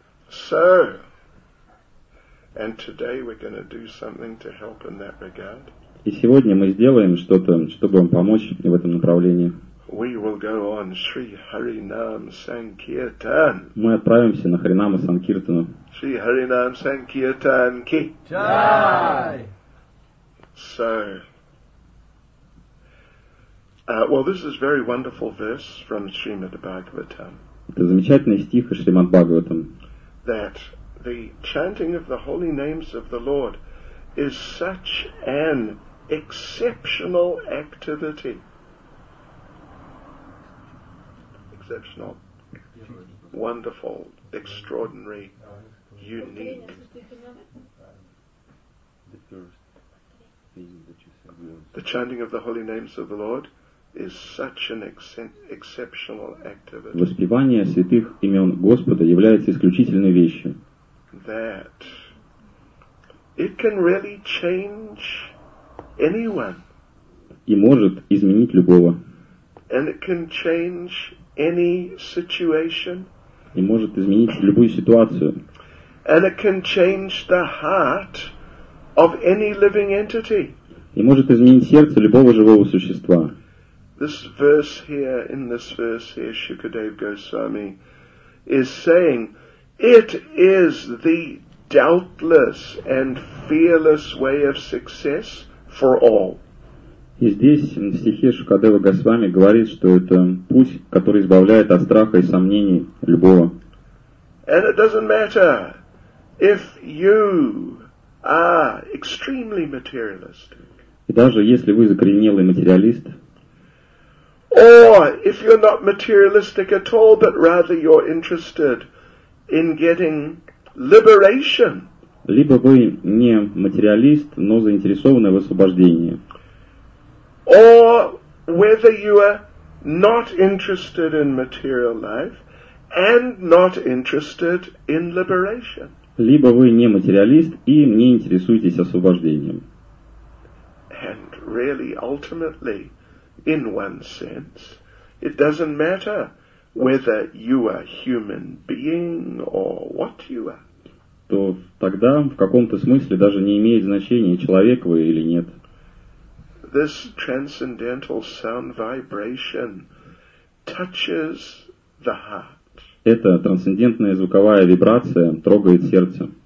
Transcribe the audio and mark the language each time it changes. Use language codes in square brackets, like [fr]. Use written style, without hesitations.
[en] So, and today we're going to do something to help in that regard. [ru] И сегодня мы сделаем что-то, чтобы вам помочь в этом направлении. [en] We will go on Sri Harinam Sankirtan. [ru] Мы отправимся на Харинама Санкиртану. Sri Harinam Sankirtan ki. Jai. [en] So, well, this is very wonderful verse from Srimad Bhagavatam. [ru] Это замечательный стих из Шримад Бхагаватам. [en] That the chanting of the holy names of the Lord is such an exceptional activity. Exceptional. Wonderful. Extraordinary. Unique. The first thing that you said was... The chanting of the holy names of the Lord is such an exceptional activity. [ru] Воспевание святых имен Господа является исключительной вещью. [en] That it can really change anyone. [ru] И может изменить любого. [en] And it can change any situation. [ru] И может изменить любую ситуацию. [en] And it can change the heart of any living entity. [ru] И может изменить сердце любого живого существа. [en] This verse here, in this verse here, Shukadeva Goswami is saying, it is the doubtless and fearless way of success for all. [ru] И здесь, в стихе Шукадева Госвами, говорит, что это путь, который избавляет от страха и сомнений любого. [en] And it doesn't matter if you are extremely materialistic. [ru] И даже если вы закоренелый материалист, [en] or if you're not materialistic at all, but rather you're interested in getting liberation. [ru] Либо вы не материалист, но заинтересованы в освобождении. [en] Or whether you are not interested in material life and not interested in liberation. [ru] Либо вы не материалист и не интересуетесь освобождением. [en] And really, ultimately, in one sense, it doesn't matter whether you are human being or what you are. [ru] То тогда в каком-то смысле даже не имеет значения, человек вы или нет. [en] This transcendental sound vibration touches the heart. [ru] Эта трансцендентная звуковая вибрация трогает сердце.